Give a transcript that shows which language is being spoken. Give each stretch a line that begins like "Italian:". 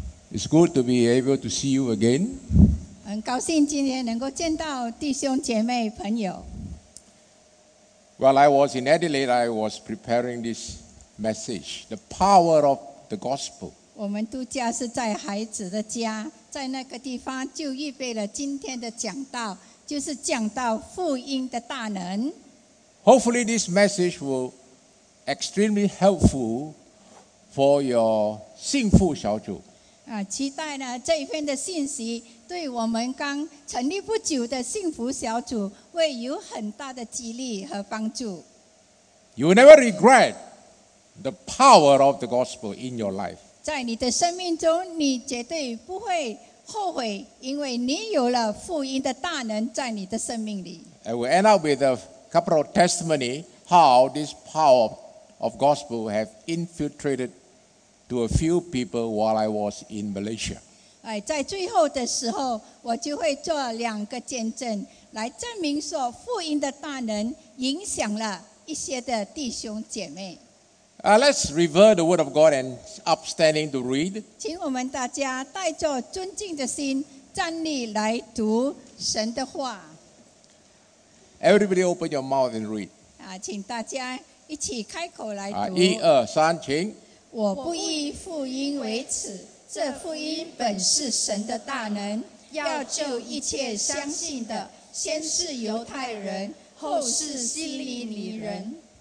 English: It's good to be able to see you again。
Chinese: 很高兴今天能够见到弟兄姐妹朋友。
English: While I was in Adelaide, I was preparing this message, the power of the gospel.
Chinese: 我们度假是在孩子的家，在那个地方就预备了今天的讲道，就是讲到福音的大能。
English: Hopefully, this message will be extremely helpful for your
Chinese: 幸福小组。期待呢这一份的信息对我们刚成立不久的幸福小组会有很大的激励和帮助。
English: You will never regret the power of the gospel in your life.
Chinese: 在你的生命中，你绝对不会后悔，因为你有了福音的大能在你的生命里。
English: I will end up with a couple of testimony how this power of gospel have infiltrated. To a few people while I was in Malaysia.
Chinese: 在最后的时候，我就会做两个见证，来证明说福音的大能影响了一些的弟兄姐妹。
English: Let's revere the word of God and upstanding to read.
Chinese: 请我们大家带着尊敬的心站立来读神的话。
English: Everybody, open your mouth and read.
Chinese: 请大家一起开口来读。一二三，请。我不以福音为耻，这福音本是神的大能，要救一切相信的，先是犹太人，后是希利尼人。